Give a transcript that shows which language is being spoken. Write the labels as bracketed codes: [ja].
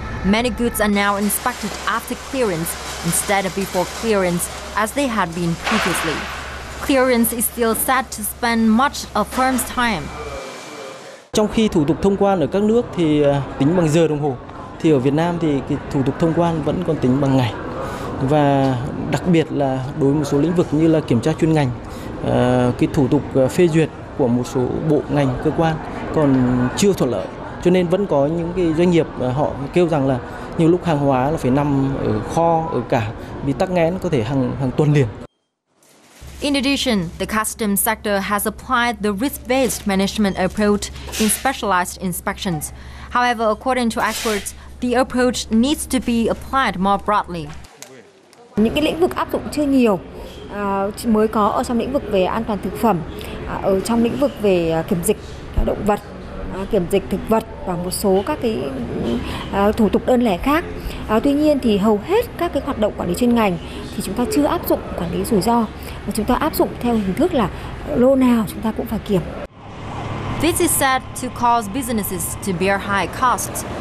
[en] Many goods are now inspected after clearance instead of before clearance, as they had been previously. Clearance is still said to spend much of firm's time. [vi] Trong khi thủ tục thông quan ở các nước thì tính bằng giờ đồng hồ, thì ở Việt Nam thì cái thủ tục thông quan vẫn còn tính bằng ngày. Và đặc biệt là đối với một số lĩnh vực như là kiểm tra chuyên ngành, cái thủ tục phê duyệt của một số bộ ngành cơ quan còn chưa thuận lợi, cho nên vẫn có những cái doanh nghiệp họ kêu rằng là nhiều lúc hàng hóa là phải nằm ở kho, ở cảng bị tắc nghẽn có thể hàng tuần liền. [en] In addition, the customs sector has applied the risk-based management approach in specialized inspections. However, according to experts, the approach needs to be applied more broadly. [vi] Những cái lĩnh vực áp dụng chưa nhiều, mới có ở trong lĩnh vực về an toàn thực phẩm, ở trong lĩnh vực về kiểm dịch động vật, kiểm dịch thực vật và một số các cái thủ tục đơn lẻ khác. Tuy nhiên thì hầu hết các cái hoạt động quản lý chuyên ngành thì chúng ta chưa áp dụng quản lý rủi ro, mà chúng ta áp dụng theo hình thức là lô nào chúng ta cũng phải kiểm. [en] This is said to cause businesses to bear high costs.